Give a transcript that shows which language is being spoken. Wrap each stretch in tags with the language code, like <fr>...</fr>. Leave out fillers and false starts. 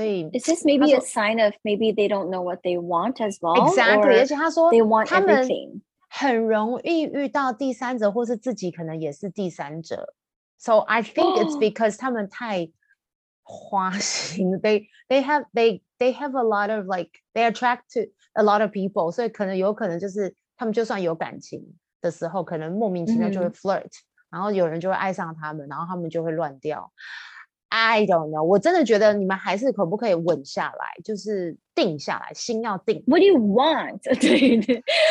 <en>is this maybe a sign of maybe they don't know what they want as well? Exactly.</en> <zh>而且他说</zh> <en>they want everything.</en> <zh>很容易遇到第三者，或是自己可能也是第三者。</zh> <en>So I think it's because</en> <zh>他们太花心。</zh> <en>They have a lot of like they attract to a lot of people.</en> <zh>所以可能有可能就是他们就算有感情的时候，可能莫名其妙就会 flirt。然后有人就会爱上他们，然后他们就会乱掉。</zh> <en>I don't know.</en> <zh>我真的觉得你们还是可不可以稳下来，就是定下来，心要定。</zh> <en>What do you want?</en> <zh>对对，</zh>